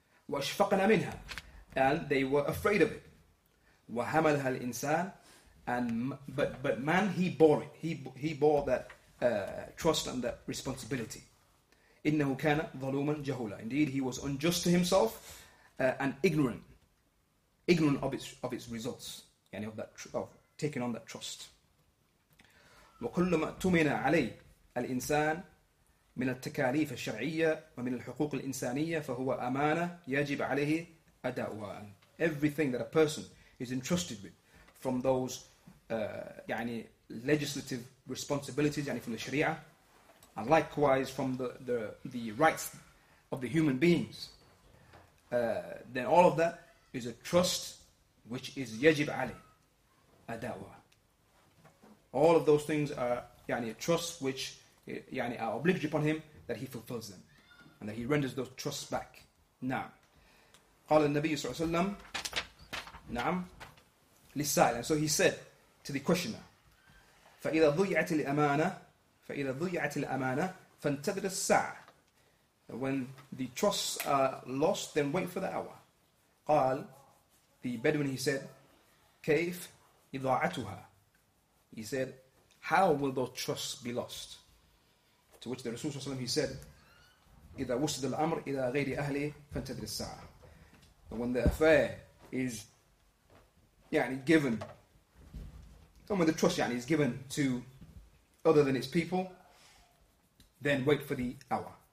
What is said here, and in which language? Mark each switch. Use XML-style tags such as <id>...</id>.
<ar>وَأَشْفَقْنَا مِنْهَا,</ar> <en>and they were afraid of it.</en> <ar>وَحَمَلْهَا الْإِنسَانِ,</ar> <en>and but man, he bore it. He bore that trust and that responsibility.</en> <ar>إِنَّهُ كَانَ ظَلُومًا جَهُولًا.</ar> <en>Indeed, he was unjust to himself and ignorant of its results, yani of taking on that trust.</en> <ar>وَكُلُّ مَا تُمِنَ عَلَيْهِ الْإِنسَانِ من التكاليف الشرعية ومن الحقوق الإنسانية فهو أمانة يجب عليه أداؤها.</ar> <en>Everything that a person is entrusted with, from those يعني legislative responsibilities, يعني from the Sharia, and likewise from the rights of the human beings, then all of that is a trust which is</en> <ar>يجب عليه أداؤها.</ar> <en>All of those things are يعني a trust which يعني are obligatory upon him, that he fulfills them and that he renders those trusts back.</en> <ar>نعم. قال النبي صلى الله عليه وسلم نعم للسائل.</ar> <en>And so he said to the questioner,</en> <ar>فإذا ضيعت الأمانة فانتظر الساعة.</ar> <en>When the trusts are lost, then wait for the hour.</en> <ar>قال</ar> <en>the Bedouin, he said,</en> <ar>كيف إضاعتها.</ar> <en>He said, how will those trusts be lost? To which the Rasul ﷺ, he said,</en> <ar>إِذَا وُسِدَ الْأَمْرِ إِذَا غَيْرِ أَهْلِي فَانْتَدْرِ السَّعَةِ.</ar> <en>When the affair is يعني given, and when the trust يعني is given to other than its people, then wait for the hour.</en>